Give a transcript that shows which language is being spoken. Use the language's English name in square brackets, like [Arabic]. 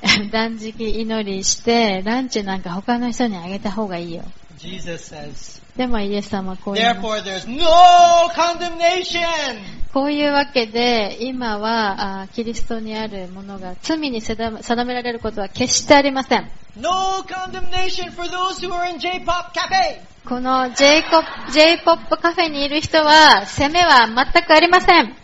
[Japanese] 断食祈りしてランチなんか他の人にあげた方がいいよ。 [English] Jesus says, [Japanese] でもイエス様はこう言います。 [English] Therefore, there's no condemnation. [Japanese] こういうわけで今はキリストにあるものが罪に定められることは決してありません。 [English] No condemnation for those who are in J-POP cafe. [Japanese] この J-POP カフェにいる人は責めは全くありません。